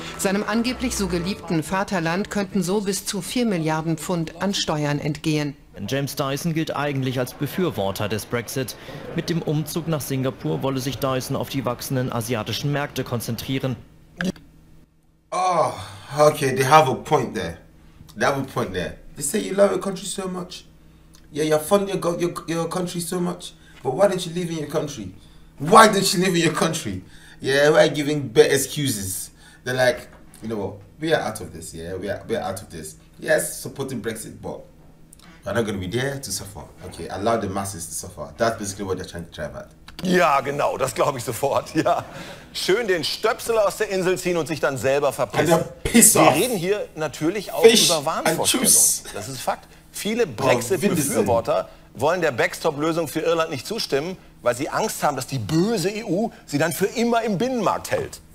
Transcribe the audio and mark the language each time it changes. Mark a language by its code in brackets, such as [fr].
[de] Seinem angeblich so geliebten Vaterland könnten so bis zu 4 Milliarden Pfund an Steuern entgehen. James Dyson gilt eigentlich als Befürworter des Brexit. Mit dem Umzug nach Singapur wolle sich Dyson auf die wachsenden asiatischen Märkte konzentrieren. [en] Oh, okay, they have a point there. They say you love your country so much. Yeah, you're fond of your country so much. But why don't you live in your country? Why don't you live in your country? Yeah, why are you giving bad excuses? They're like, you know what, we are out of this, yeah, we are out of this. Yes, supporting Brexit, but we're not going to be there to suffer. Okay, allow the masses to suffer. That's basically what they're trying to drive at. [de] Ja, genau, das glaube ich sofort, ja. Schön den Stöpsel aus der Insel ziehen und sich dann selber verpissen. Wir reden hier natürlich auch Fish über Warnvorstellungen. Das ist Fakt. Viele Brexit-Befürworter wollen der Backstop-Lösung für Irland nicht zustimmen, weil sie Angst haben, dass die böse EU sie dann für immer im Binnenmarkt hält.